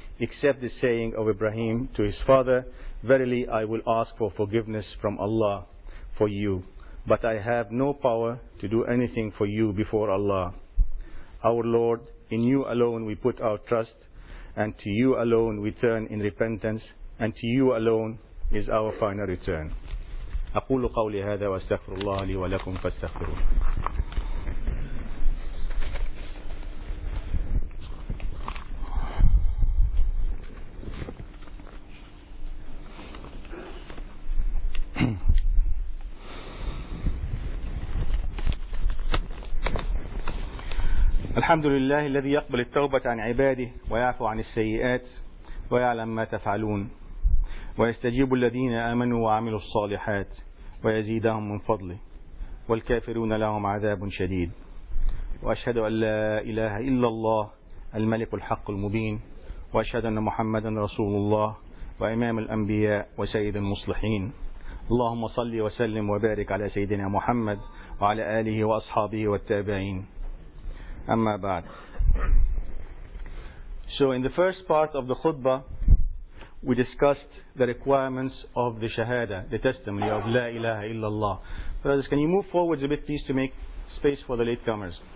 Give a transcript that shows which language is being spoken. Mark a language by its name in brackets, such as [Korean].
[English] Except the saying of Ibrahim to his father, verily, I will ask for forgiveness from Allah for you, but I have no power to do anything for you before Allah. Our Lord, in you alone we put our trust, and to you alone we turn in repentance, and to you alone is our final return. [Arabic] أقول قولي هذا واستغفر الله لي ولكم فاستغفروه. الحمد لله الذي يقبل التوبة عن عباده ويعفو عن السيئات ويعلم ما تفعلون ويستجيب الذين آمنوا وعملوا الصالحات ويزيدهم من فضله والكافرون لهم عذاب شديد وأشهد أن لا إله إلا الله الملك الحق المبين وأشهد أن محمدا رسول الله وإمام الأنبياء وسيد المصلحين اللهم صل وسلم وبارك على سيدنا محمد وعلى آله وأصحابه والتابعين. Amma ba'd. [English] So in the first part of the khutbah, we discussed the requirements of the shahada, the testimony of La ilaha illallah. Brothers, can you move forwards a bit, please, to make space for the latecomers?